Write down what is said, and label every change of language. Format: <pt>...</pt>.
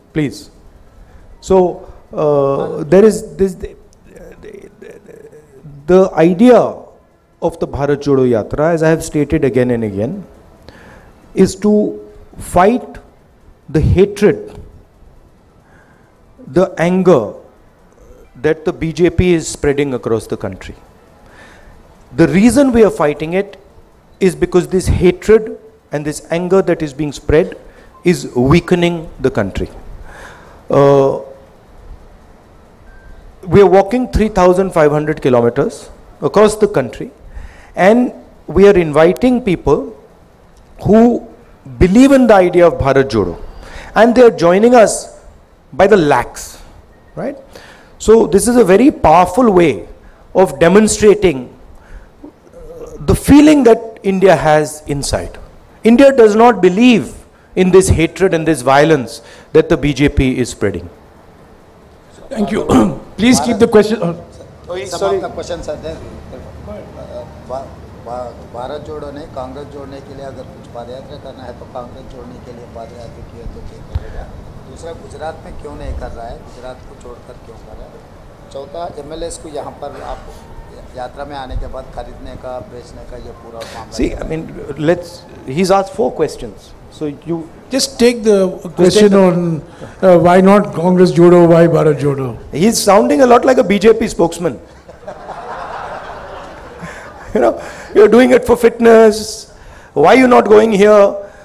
<en>Please, so there is this the idea of the Bharat Jodo Yatra, as I have stated again and again, is to fight the hatred, the anger that the BJP is spreading across the country. The reason we are fighting it is because this hatred and this anger that is being spread is weakening the country. We are walking 3,500 kilometers across the country, and we are inviting people who believe in the idea of Bharat Jodo, and they are joining us by the lakhs, right? So this is a very powerful way of demonstrating the feeling that India has inside. India does not believe in this hatred and this violence that the BJP is spreading. Thank you. Please keep the question. Sorry. The question, sir.</en> <hi>Bharat जोड़ने कांग्रेस जोड़ने के लिए अगर कुछ पदयात्रा करना है तो कांग्रेस जोड़ने के लिए पदयात्रा किया तो क्या करेगा? दूसरा, गुजरात में क्यों नहीं कर रहा है? गुजरात को छोड़कर क्यों कर रहा है? चौथा, MLAs को यहाँ पर आप यात्रा में आने के बाद खरीदने का बेचने का ये पूरा मामला?</hi> <en>See, I mean, let's, he's asked four questions. So you just take the question on why not Congress Jodo, why Bharat Jodo. He's sounding a lot like a BJP spokesman. You know, you're doing it for fitness. Why are you not going here?</en>